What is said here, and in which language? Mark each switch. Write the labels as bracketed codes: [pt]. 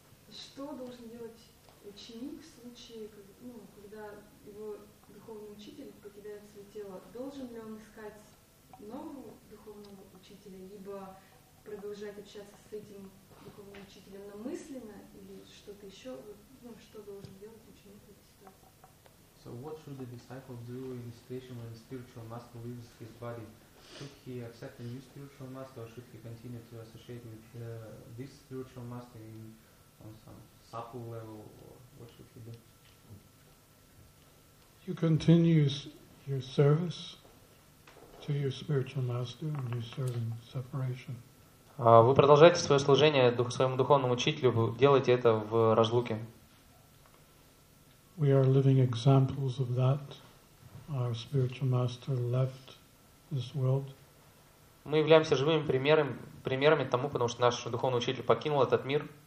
[ru] Что должен делать ученик в случае, когда его духовный учитель покидает свое тело? Должен ли он искать нового духовного учителя, либо продолжать общаться с этим духовным учителем намысленно, или что-то еще? Что должен делать ученик в этой ситуации? [en] So what should the disciple do in the situation when the spiritual master leaves his body? Should he accept a new spiritual master, or should he continue to associate with this spiritual master in on some sapu level, or what should he do? You continue your service to your spiritual master and you're serving separation. [ru] Вы продолжаете свое служение своему духовному учителю, вы делаете это в разлуке. [en] We are living examples of that. Our spiritual master left this world. [ru] Мы являемся живыми примерами тому, потому что наш духовный учитель покинул этот мир.